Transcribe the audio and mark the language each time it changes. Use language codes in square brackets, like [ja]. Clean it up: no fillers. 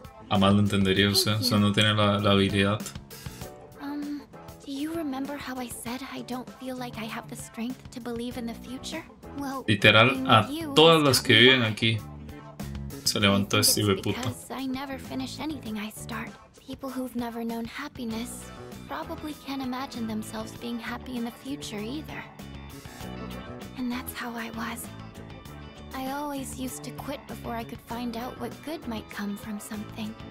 [es] Además lo entendería usted, o sea, no tiene la habilidad. [en] Do you remember how I said I don't feel like I have the strength to believe in the future? [es] Well, literal a todas las que viven aquí. Se levantó este hijo de puta. [en] I never finish anything I start. People who've never known happiness probably can't imagine themselves being happy in the future either. And that's how I was. I always used to quit before I could find out what good might come from something.